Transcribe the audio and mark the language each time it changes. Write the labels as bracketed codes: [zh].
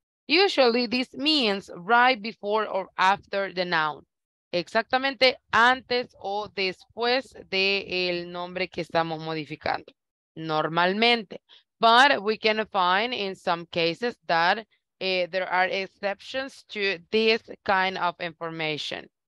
[en] Usually this means right before or after the noun. [es] Exactamente antes o después de el nombre que estamos modificando. Normalmente. [en] But we can find in some cases that there are exceptions to this kind of information.